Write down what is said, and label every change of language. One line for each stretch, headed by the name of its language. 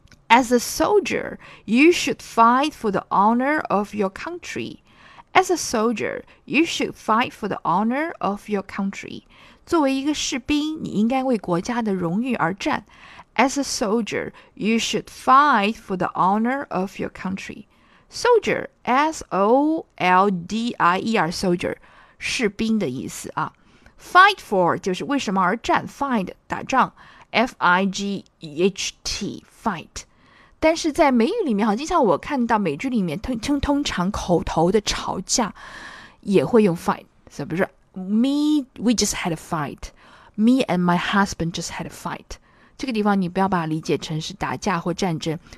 English: As a soldier, you should fight for the honor of your country. As a soldier, you should fight for the honor of your country.
Chinese: 作为一个士兵，你应该为国家的荣誉而战。
English: As a soldier, you should fight for the honor of your country. Soldier, S-O-L-D-I-E-R, soldier,
Chinese: 士兵的意思啊。
English: Fight for,
Chinese: 就是为什么而战
English: ,fight,
Chinese: 打仗
English: ,F-I-G-H-T, fight.
Chinese: 但是在美语里面，好，经常我看到美剧里面 通常口头的吵架也会用 fight, 是不是
English: Me, we just had a fight. Me and my husband just had a fight.
Chinese: 这个地方你不要把它理解成是打架或战争。